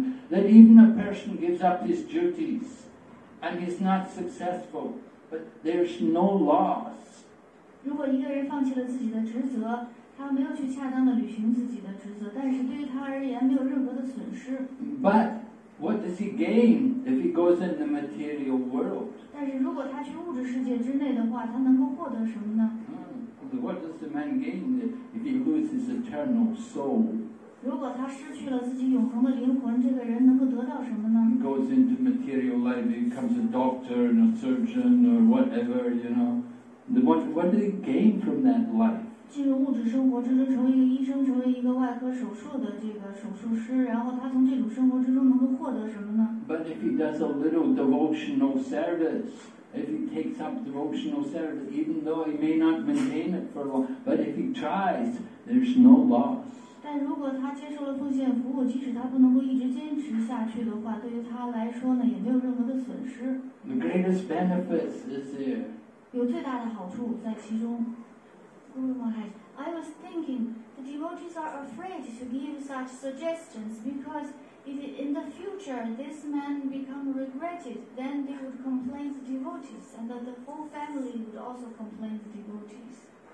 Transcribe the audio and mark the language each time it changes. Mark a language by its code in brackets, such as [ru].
[en] That even a person gives up his duties and is not successful, but there's no loss. [zh] 如果一个人放弃了自己的职责，他没有去恰当的履行自己的职责，但是对于他而言没有任何的损失。 [en] But what does he gain if he goes in the material world? [zh] 但是如果他去物质世界之内的话，他能够获得什么呢？ [en] What does the man gain if he loses his eternal soul? [zh] 如果他失去了自己永恒的灵魂，这个人能够得到什么呢？ [en] He goes into material life, he becomes a doctor and a surgeon or whatever, you know. What did he gain from that life? [zh] 进入物质生活之中，成为一个医生，成为一个外科手术的这个手术师，然后他从这种生活之中能够获得什么呢？ [en] But if he does a little devotional service. If he takes up devotional service, even though he may not maintain it for long, but if he tries, there's no loss. [zh] 但如果他接受了奉献服务，即使他不能够一直坚持下去的话，对于他来说呢，也没有任何的损失。 [en] The greatest benefits is there. [zh] 有最大的好处在其中。 [en] Guru Maharaj, I was thinking the devotees are afraid to give such suggestions because. If in the future this man become regretted, then they would complain to devotees, and that the whole family would also complain to devotees.